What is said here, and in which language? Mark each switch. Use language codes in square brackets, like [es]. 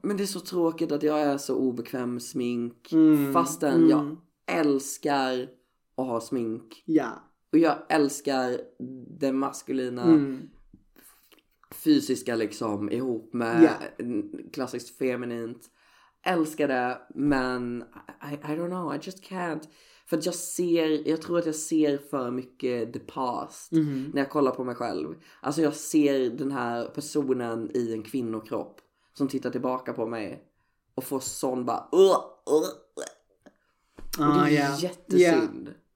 [sv] Men det är så tråkigt att jag är så obekväm med smink. Fastän jag älskar att ha smink. Ja. Yeah. Och jag älskar det maskulina fysiska liksom ihop med klassiskt feminint. Älskar det, men [en] I don't know, I just can't. [sv] För att jag tror att jag ser för mycket [en] the past [sv] när jag kollar på mig själv. Alltså jag ser den här personen i en kvinnokropp som tittar tillbaka på mig och får sån bara jättesynd.